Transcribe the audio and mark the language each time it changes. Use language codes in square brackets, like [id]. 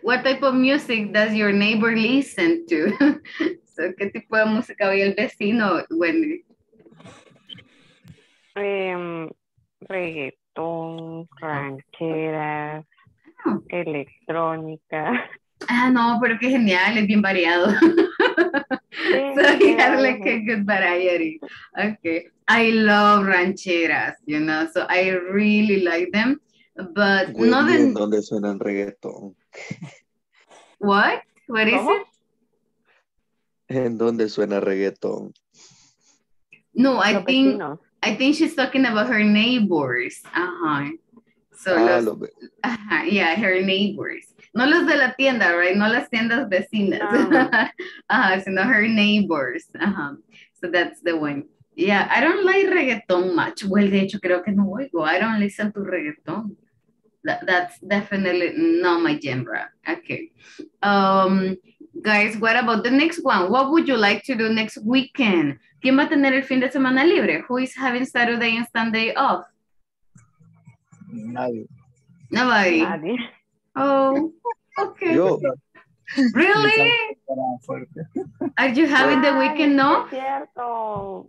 [en] What type of music does your neighbor listen to? [es] So, ¿qué tipo de música oye el vecino, Wendy? Reggaetón, ranchera, electrónica. Ah, no, pero qué genial, es bien variado. [en] So he had like a good variety. Okay. I love rancheras, you know, so I really like them. But [es] Wendy, [en] not in... [es] ¿Dónde suena el reggaetón? [en] What? What is it? [es] ¿En dónde suena el reggaetón? [en] No, I think she's talking about her neighbors. Uh-huh. Her neighbors. [es] No los de la tienda, right? No las tiendas vecinas. Ah, sino [en] her neighbors. So that's the one. Yeah, I don't like reggaeton much. Well, [es] de hecho, creo que no oigo. [en] I don't listen to reggaeton. That's definitely not my genre. Okay. Guys, what about the next one? What would you like to do next weekend? [es] ¿Quién va a tener el fin de semana libre? [en] Who is having Saturday and Sunday off? Nobody. Oh, okay. Yo. Really? Are you having the weekend, no? [es] Es cierto.